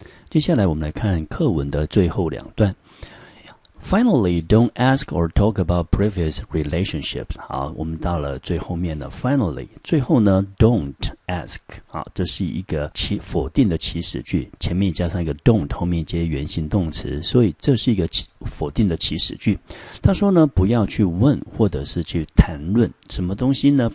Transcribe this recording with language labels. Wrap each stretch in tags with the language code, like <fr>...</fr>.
<zh>接下来我们来看课文的最后两段。</zh> <en>Finally, don't ask or talk about previous relationships.</en> <zh>好，我们到了最后面的 finally. 最后呢</zh> <en>don't ask.</en> <zh>好，这是一个否定的祈使句，前面加上一个 don't, 后面接原形动词，所以这是一个否定的祈使句。他说呢，不要去问或者是去谈论什么东西呢？</zh>